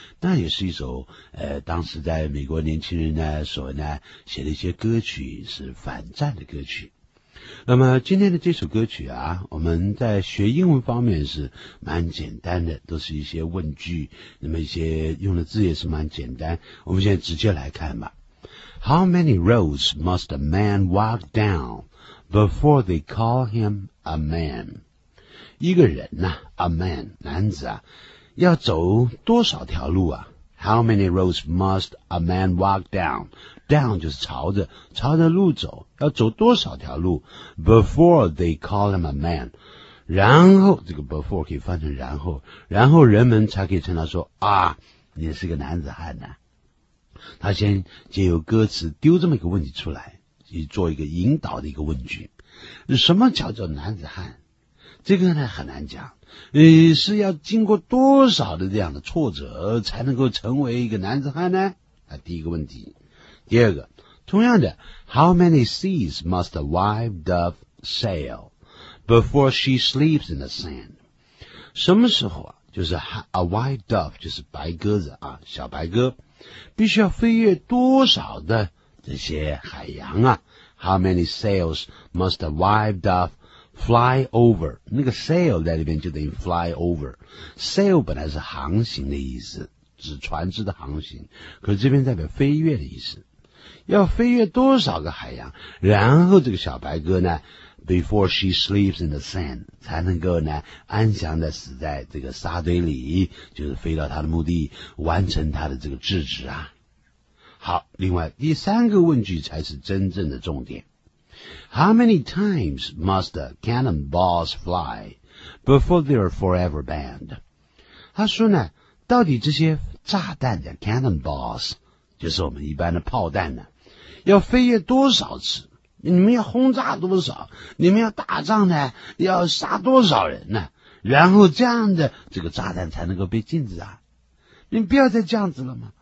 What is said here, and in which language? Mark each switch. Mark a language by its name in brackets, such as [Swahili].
[Chinese] 那也是一首当时在美国年轻人呢所呢写的一些歌曲，是反战的歌曲。那么今天的这首歌曲啊，我们在学英文方面是蛮简单的，都是一些问句，那么一些用的字也是蛮简单。我们现在直接来看吧。 [English] How many roads must a man walk down before they call him a man? [Chinese] 一个人啊 [English] a man, [Chinese] 男子啊，要走多少条路啊？ [English] How many roads must a man walk down? [Chinese] Down 就是朝着路走，要走多少条路 ？ [English] Before they call him a man， [Chinese] 然后这个 before 可以翻成然后人们才可以称他说啊，你是个男子汉呢。他先借由歌词丢这么一个问题出来，以做一个引导的一个问句：什么叫做男子汉？这个呢很难讲，是要经过多少的这样的挫折才能够成为一个男子汉呢？啊，第一个问题。第二个，同样的 [English] ，How many seas must a wild dove sail before she sleeps in the sand？ [Chinese] 什么时候啊？就是 [English] a wild dove， [Chinese] 就是白鸽子啊，小白鸽，必须要飞越多少的这些海洋啊 ？ [English] How many sails must a wild dove fly over？ [Chinese] 那个 sail 在里面就等于 fly over。sail 本来是航行的意思，指船只的航行，可是这边代表飞跃的意思。要飞越多少个海洋，然后这个小白鸽呢 [English] before she sleeps in the sand [Chinese] 才能够呢安详的死在这个沙堆里，就是飞到他的目的，完成他的这个志志啊。好，另外第三个问句才是真正的重点。 [English] How many times must cannonballs fly before they are forever banned？ [Chinese] 他说呢，到底这些炸弹的 cannonballs，就是我们一般的炮弹呢，要飞越多少次？你们要轰炸多少？你们要打仗呢？要杀多少人呢？然后这样的这个炸弹才能够被禁止啊？你不要再这样子了吗？